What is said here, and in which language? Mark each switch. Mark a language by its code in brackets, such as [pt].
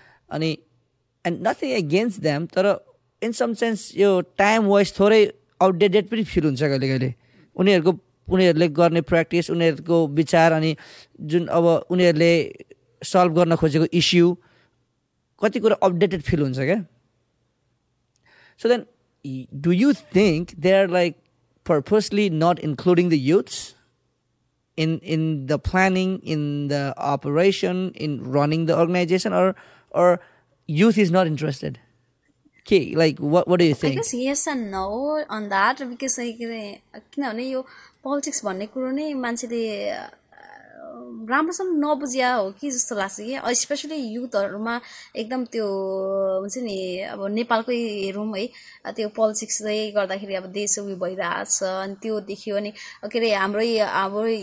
[ne] अनि [en] and nothing against them [ne] तर [en] in some sense [ne] यो टाइम वाइज थोरै आउटडेटेड पनि फिल हुन्छ कहिले कहिले. उनीहरूले गर्ने प्र्याक्टिस उनीहरूको विचार अनि जुन अब उनीहरूले सल्भ गर्न खोजेको इस्यु कति कुरा अपडेटेड फिल हुन्छ क्या. [en] So then do you think they are like purposely not including the youths in the planning in the operation in running the organization or youth is not interested. के like what do you think I guess yes and no on that because like [ne] किनभने यो politics भन्ने कुरो नै मान्छेले राम्रोसँग नबुझिया हो कि जस्तो लाग्छ कि स्पेसली युथहरूमा एकदम त्यो हुन्छ नि अब नेपालकै हेरौँ है त्यो पोलिटिक्सले गर्दाखेरि अब देश उयो भइरहेछ अनि त्यो देखियो अनि के अरे हाम्रै अब